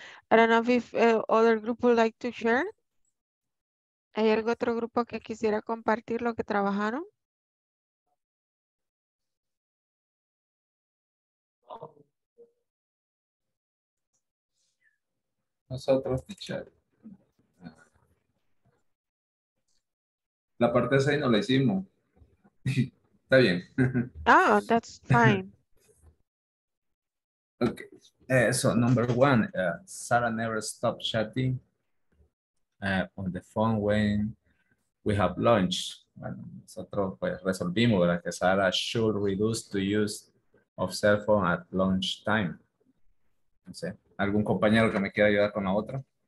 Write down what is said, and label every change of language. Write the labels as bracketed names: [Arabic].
[English] I don't know if other group would like to share. [Spanish] ¿Hay algún otro grupo que quisiera compartir lo que trabajaron? Nosotros, teacher. La parte 6 no la hicimos. Está bien. [English] Oh, that's fine. Okay. So, number one, Sarah never stopped chatting on the phone when we have lunch. [Spanish] Bueno, nosotros pues resolvimos, ¿verdad? Que [English] Sarah should reduce the use of cell phone at lunch time. [Spanish] No sé. ¿Algún compañero que me quiera ayudar con la otra?